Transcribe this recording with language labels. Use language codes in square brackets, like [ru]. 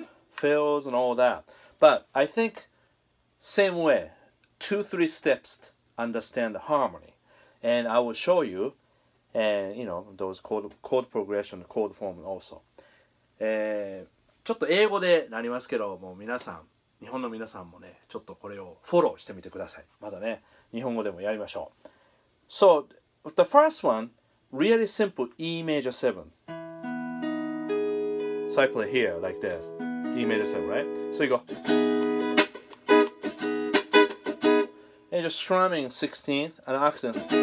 [en] Fills and all that. But I think same way, 2-3 steps to understand the harmony. And I will show you, and you know, those chord progression, chord form also. [ja] ちょっと英語でなりますけど、もう皆さん、日本の皆さんもね、ちょっとこれをフォローしてみてください。まだね、日本語でもやりましょう。 [en] So, the first one, really simple E major 7. So I play here, like this. E major 7, right? So you go. And just strumming 16th, an accent.